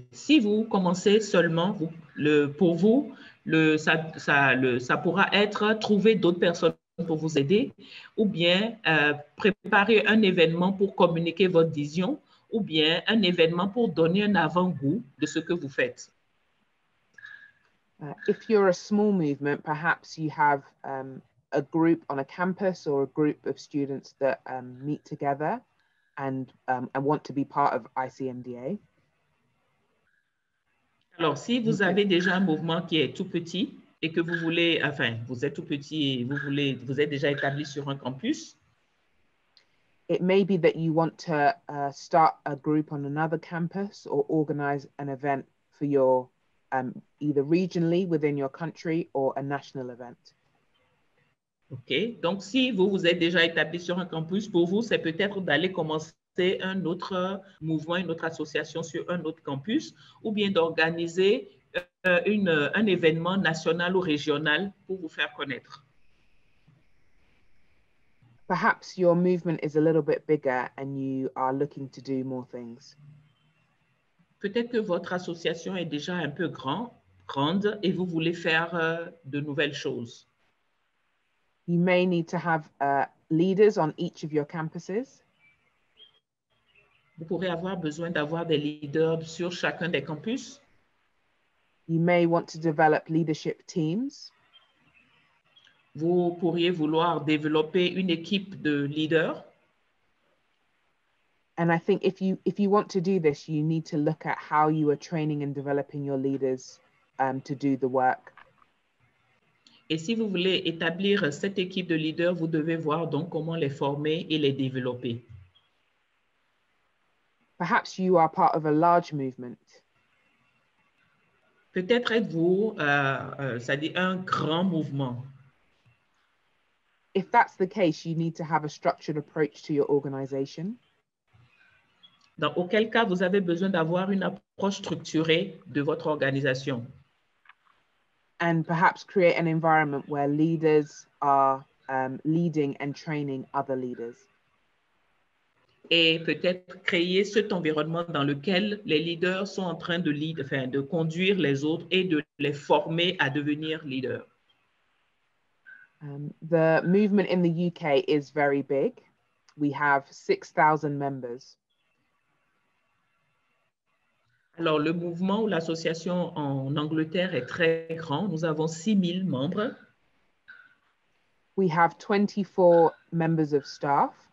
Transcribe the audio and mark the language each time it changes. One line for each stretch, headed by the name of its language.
French: Si vous commencez seulement, vous, le, pour vous, le, ça, ça, le, ça pourra être trouver d'autres personnes pour vous aider, ou bien préparer un événement pour communiquer votre vision, ou bien un événement pour donner un avant-goût de ce que vous faites.
English: If you're a small movement, perhaps you have a group on a campus or a group of students that meet together and want to be part of ICMDA.
French: Alors, si vous avez déjà un mouvement qui est tout petit, et que vous voulez, enfin, vous êtes tout petit et vous voulez, vous êtes déjà établi sur un campus.
English: It may be that you want to start a group on another campus or organize an event for your, either regionally within your country or a national event. OK.
French: Donc, si vous vous êtes déjà établi sur un campus, pour vous, c'est peut-être d'aller commencer un autre mouvement, une autre association sur un autre campus, ou bien d'organiser un événement national ou régional pour vous faire connaître.
English: Perhaps your movement is a little bit bigger and you are looking to do more things.
French: Peut-être que votre association est déjà un peu grande et vous voulez faire de nouvelles choses.
English: You may need to have leaders on each of your campuses.
French: Vous pourrez avoir besoin d'avoir des leaders sur chacun des campus.
English: You may want to develop leadership teams.
French: Vous pourriez vouloir développer une équipe de leaders.
English: And I think if you want to do this, you need to look at how you are training and developing your leaders to do the work.
French: Et si vous voulez établir cette équipe de leaders, vous devez voir donc comment les former et les développer.
English: Perhaps you are part of a large movement.
French: Peut-être êtes-vous, ça dit, un grand mouvement.
English: If that's the case, you need to have a structured approach to your organization.
French: Dans auquel cas, vous avez besoin d'avoir une approche structurée de votre organisation.
English: And perhaps create an environment where leaders are leading and training other leaders.
French: Et peut-être créer cet environnement dans lequel les leaders sont en train de lead, enfin, de conduire les autres et de les former à devenir leaders.
English: The movement in the UK is very big. We have 6,000 members.
French: Alors, le mouvement ou l'association en Angleterre est très grand. Nous avons 6,000 membres.
English: We have 24 members of staff.